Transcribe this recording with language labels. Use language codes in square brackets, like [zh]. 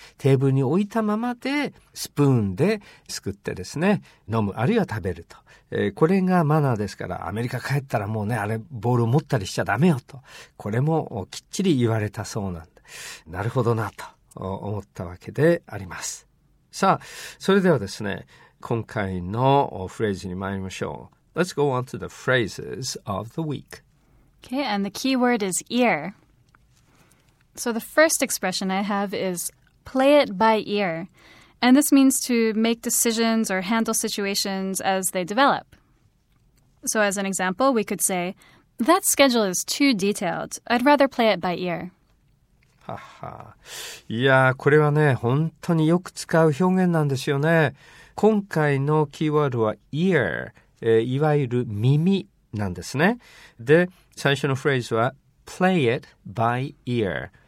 [ja] テーブルに置いたままでスプーンですくってですね、飲む、あるいは食べると、これがマナーですから、アメリカ帰ったらもうね、あれボールを持ったりしちゃダメよと、これもきっちり言われたそうなんで、なるほどなと思ったわけであります。さあ、それではですね、今回のフレーズに参りましょう。 [en] Let's go on to the phrases of the week. Okay, and the key word is ear. So the first expression I have is play it by ear. And this means to make decisions or handle situations as they develop. So as an example, we could say, that schedule is too detailed. I'd rather play it by ear. Haha. [ja] いや、これはね、本当によく使う表現なんですよね。今回のキーワードは ear、いわゆる耳なんですね。で、最初のフレーズは play it by ear。